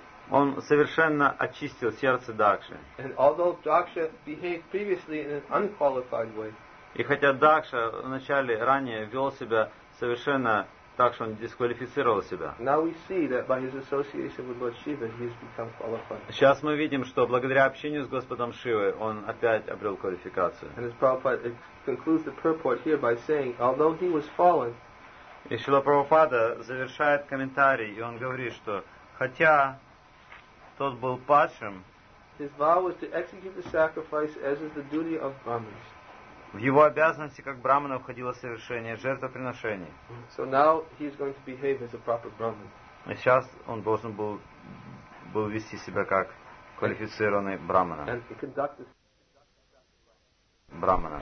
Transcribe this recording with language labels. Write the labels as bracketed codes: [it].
[ru] Он совершенно очистил сердце Дакши. [en] And although Daksha behaved previously in an unqualified way, [ru] и хотя Дакша вначале ранее вел себя совершенно так, что он дисквалифицировал себя. [en] Now we see that by his association with Lord Shiva, he has become qualified. [ru] Сейчас мы видим, что благодаря общению с Господом Шивой он опять обрел квалификацию. [en] And as Prabhupada concludes the purport here by saying, although he was fallen. [ru] И Шрила Прабхупада завершает комментарий, и он говорит, что хотя тот был падшим, [en] his vow was to execute the sacrifice as is the duty of Brahmins. [ru] В его обязанности как брахмана входило совершение жертвоприношений. [en] So now he is going to behave as a proper brahmin. [ru] И сейчас он должен был вести себя как квалифицированный брахмана. Брахмана.